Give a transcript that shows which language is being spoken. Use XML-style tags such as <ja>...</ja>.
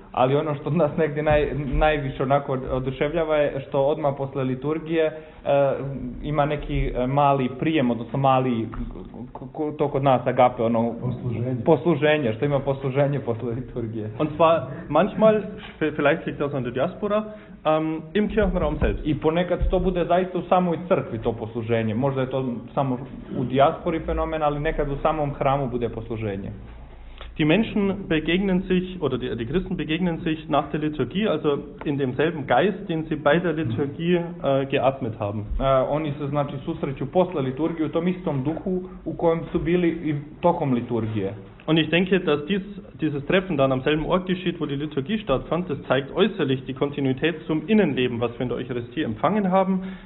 <sr>Ali ono što nas negdje najviše onako oduševljava je što odmah posle liturgije ima neki mali prijem, odnosno mali, to kod nas agape, ono, posluženje, što ima posluženje posle liturgije.</sr> <de>Und zwar manchmal, vielleicht liegt das an der Diaspora, im Kirchenraum selbst.</de> <sr>I ponekad to bude zaista u samoj crkvi to posluženje. Možda je to samo u dijaspori fenomen, ali nekad u samom hramu bude posluženje.</sr> <de>Die Menschen begegnen sich, oder die Christen begegnen sich nach der Liturgie, also in demselben Geist, den sie bei der Liturgie geatmet haben.</de> <sr>Oni se znači susreću posle liturgije u tom istom duhu u kojem su bili i tokom liturgije.</sr> <de>Und ich denke, dass dieses Treffen dann am selben Ort geschieht, wo die Liturgie stattfand, das zeigt äußerlich die Kontinuität zum Innenleben, was wir in der Eucharistie empfangen haben.</de>